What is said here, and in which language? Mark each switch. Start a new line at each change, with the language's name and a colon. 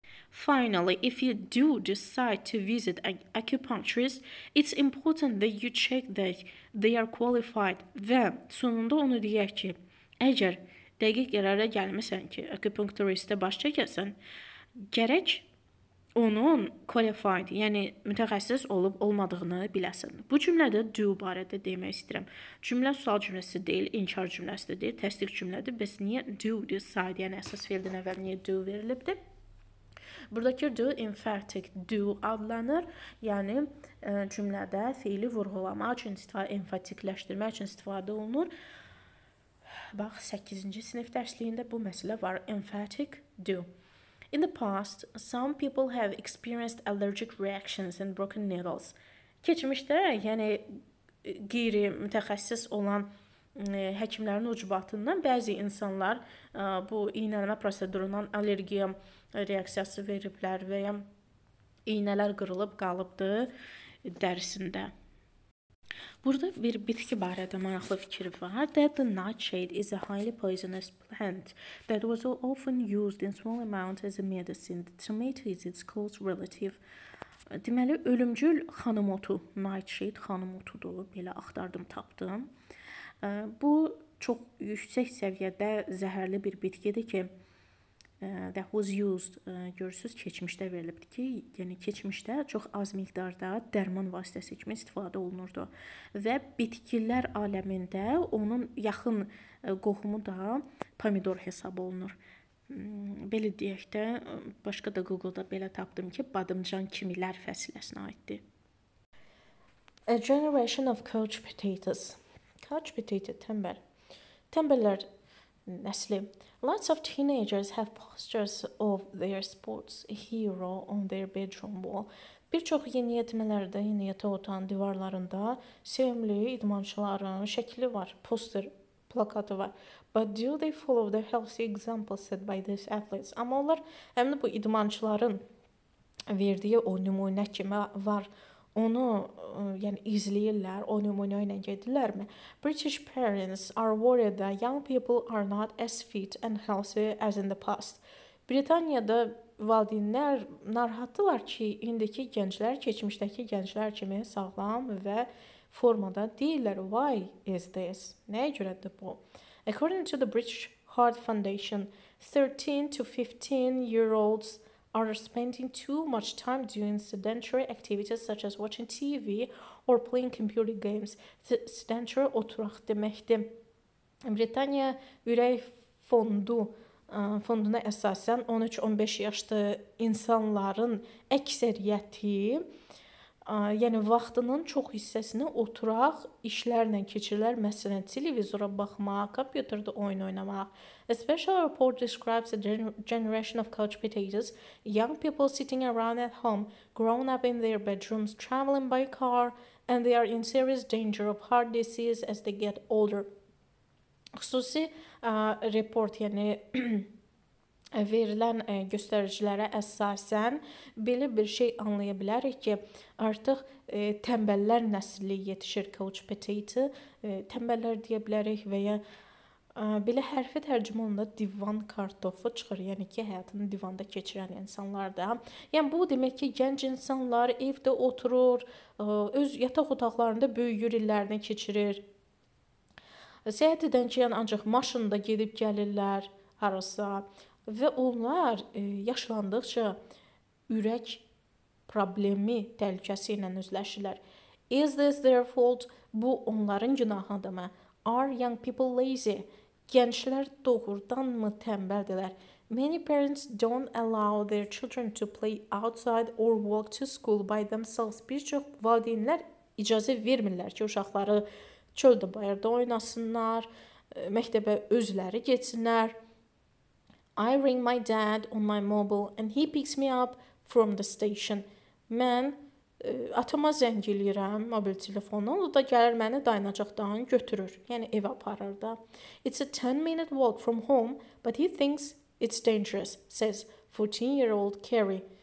English: Finally, if you do decide to visit an acupuncturist, it's important that you check that they are qualified.
Azerbaijani: Ve sonunda onu deyək ki, əgər dəqiq qərara gəlməsən ki, akupunkturistə baş çəkəsən, gərək onun qualified, yəni mütəxəssis olub-olmadığını biləsin. Bu cümlədə do barədə demək istəyirəm. Cümlə sual cümləsi deyil, inkar cümləsidir, təsdiq cümlədir. Bəs niyə do decide, yəni əsas fieldin əvvəl niyə do verilibdir? Buradakı do emphatic do adlanır. Yəni cümlədə fiili vurğulamaq üçün istifadə, emfatikləşdirmək üçün istifadə olunur. Bax, 8-ci sinif dərsliyində bu məsələ var. Emphatic do.
English: In the past, some people have experienced allergic reactions and broken needles.
Azerbaijani: Keçmişdə, yəni qeyri mütəxəssis olan həkimlərin ucubatından bəzi insanlar bu iynələmə prosedurundan allergiya reaksiyası veriblər və ya iynələr qırılıb qalıbdır dərisində. Burada bir bitki barədə maraqlı fikir var.
English: That the nightshade is a highly poisonous plant that was often used in small amounts as a medicine. The tomato is its close relative.
Azerbaijani: Deməli, ölümcül xanım otu, nightshade xanım otudur. Belə axtardım, tapdım. Bu çox yüksək səviyyədə zəhərli bir bitkidir ki,
English: that was used,
Azerbaijani: görürsünüz, keçmişdə verilibdir ki, yəni keçmişdə çox az miqdarda dərman vasitəsi kimi istifadə olunurdu. Və bitkilər aləmində onun yaxın qohumu da pomidor hesab olunur. Belə deyək də, başqa da Google-da belə tapdım ki, badımcan kimilər fəsiləsinə aiddir.
English: A generation of couch potatoes. Couch potato,
Azerbaijani: tembel. Tembellər nəsli.
English: Lots of teenagers have posters of their sports hero on their bedroom wall.
Azerbaijani: Bir çox yeniyetmələrdə, yeniyetə otan divarlarında sevimli idmançıların şəkli var, poster, plakatı var.
English: But do they follow the healthy example set by these athletes?
Azerbaijani: Amma onlar həmin bu idmançıların verdiyi o nümunə kimi var. Onu yəni izləyirlər, o nümunə ilə gedirlərmi?
English: British parents are worried that young people are not as fit and healthy as in the past.
Azerbaijani: Britaniyada valideynlər narahatdırlar ki, indiki gənclər keçmişdəki gənclər kimi sağlam və formada deyillər.
English: Why is this?
Azerbaijani: Nəyə görədir bu?
English: According to the British Heart Foundation, 13 to 15 year olds are spending too much time doing sedentary activities such as watching TV or playing computer games.
Azerbaijani: Sedentary oturaq deməkdir. Britaniya ürək fonduna əsasən 13-15 yaşlı insanların əksəriyyəti, yəni vaxtının çox hissəsini oturaq işlərlə keçirirlər, məsələn, televizora baxmaq, kompüterdə oyun oynamaq.
English: A special report describes a generation of couch potatoes, young people sitting around at home, grown up in their bedrooms, traveling by car, and they are in serious danger of heart disease as they get older.
Azerbaijani: Xüsusi report, yəni verilən göstəricilərə əsasən belə bir şey anlaya bilərik ki, artıq tənbəllər nəsli yetişir couch potato, tənbəllər deyə bilərik və ya belə hərfi tərcümə olunda divan kartofu çıxır, yəni ki, həyatını divanda keçirən insanlarda. Yəni, bu demək ki, gənc insanlar evdə oturur, öz yataq otaqlarında böyüyür, illərini keçirir. Səyahət edən ki, yəni ancaq maşında gedib gəlirlər harasa və onlar yaşlandıqca ürək problemi təhlükəsi ilə üzləşirlər.
English: Is this their fault?
Azerbaijani: Bu onların günahıdır mı?
English: Are young people lazy?
Azerbaijani: Gənclər doğrudan mı tənbəldirlər?
English: Many parents don't allow their children to play outside or walk to school by themselves.
Azerbaijani: Bir çox valideynlər icazə vermirlər ki, uşaqları çöldə bayırda oynasınlar, məktəbə özləri getsinlər.
English: I ring my dad on my mobile and he picks me up from the station.
Azerbaijani: Mən atama zəng eləyirəm mobil telefonla, o da gəlir məni dayanacaqdan götürür, yəni evə aparır da.
English: It's a 10-minute walk from home, but he thinks it's dangerous, says 14-year-old Carrie.